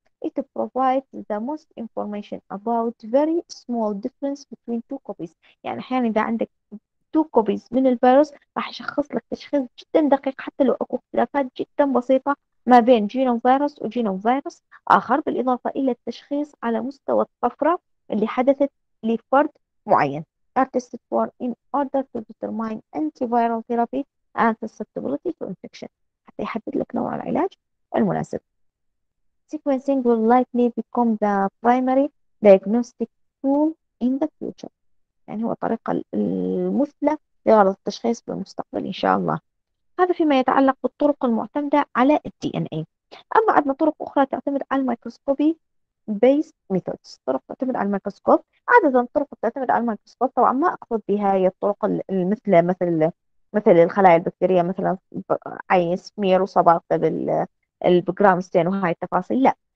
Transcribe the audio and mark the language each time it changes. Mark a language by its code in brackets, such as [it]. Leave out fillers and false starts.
[en] It provides the most information about very small difference between two copies. [ar] يعني أحيانا إذا عندك تو كوبيز من الفيروس راح يشخص لك تشخيص جدا دقيق حتى لو اكو اختلافات جدا بسيطة ما بين جينوم فيروس وجينوم فيروس آخر، بالإضافة إلى التشخيص على مستوى الطفرة اللي حدثت لفرد معين. [en] are tested for in order to determine antiviral therapy and susceptibility to infection [ar] حتى يحدد لك نوع العلاج المناسب. [en] sequencing will likely become the primary diagnostic tool in the future. [ar] يعني هو الطريقة المثلى لغرض التشخيص بالمستقبل إن شاء الله. هذا فيما يتعلق بالطرق المعتمدة على الـ DNA. أما عندنا طرق أخرى تعتمد على الميكروسكوبي [en] based methods، [ar] طرق تعتمد على الميكروسكوب. عادة الطرق تعتمد على الميكروسكوب طبعا ما أقصد بها هي الطرق المثلى مثل الخلايا البكتيرية، مثلا عين سمير وصباغة بالجرام ستين وهاي التفاصيل، لا.